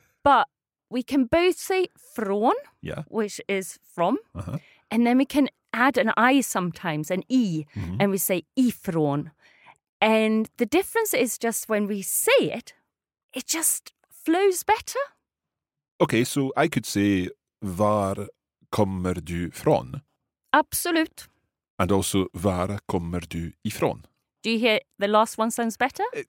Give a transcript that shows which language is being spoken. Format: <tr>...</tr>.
<en>But we can both say från, yeah, which is from, uh-huh, and then we can add an I sometimes, an E, mm-hmm, and we say ifrån. And the difference is just when we say it, it just flows better. Okay. So I could say,</en> <sv>var kommer du från? Absolut.</sv> <en>And also,</en> <sv>var kommer du ifrån?</sv> <en>Do you hear the last one sounds better?</en>